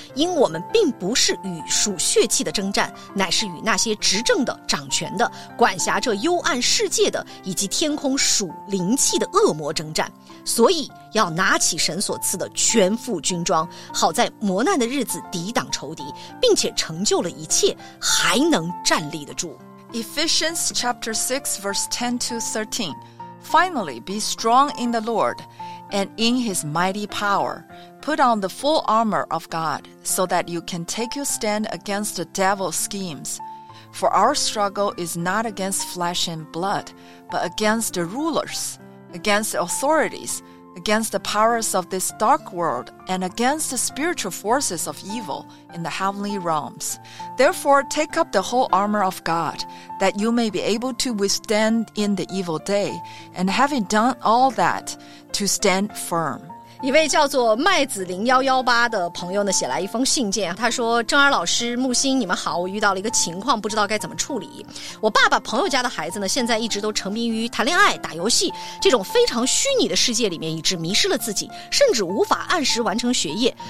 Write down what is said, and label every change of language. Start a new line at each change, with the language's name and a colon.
Chinese: 因我们并不是与属血气的征战，乃是与那些执政的、掌权的、管辖这幽暗世界的以及天空属灵气的恶魔征战，所以要拿起神所赐的全副军装，好在磨难的日子抵挡仇敌，并且成就了一切，还能站立得住。
English: Ephesians chapter 6 verse 10 to 13. Finally, be strong in the Lord and in his mighty power. Put on the full armor of God so that you can take your stand against the devil's schemes. For our struggle is not against flesh and blood, but against the rulers, against the authorities, against the powers of this dark world, and against the spiritual forces of evil in the heavenly realms. Therefore, take up the whole armor of God, that you may be able to withstand in the evil day, and having done all that, to stand firm.
Chinese: 一位叫做麦子0118的朋友呢写来一封信件，他说，正儿老师、木星你们好，我遇到了一个情况，不知道该怎么处理。我爸爸朋友家的孩子呢现在一直都沉迷于谈恋爱、打游戏这种非常虚拟的世界里面，以致迷失了自己，甚至无法按时完成学业。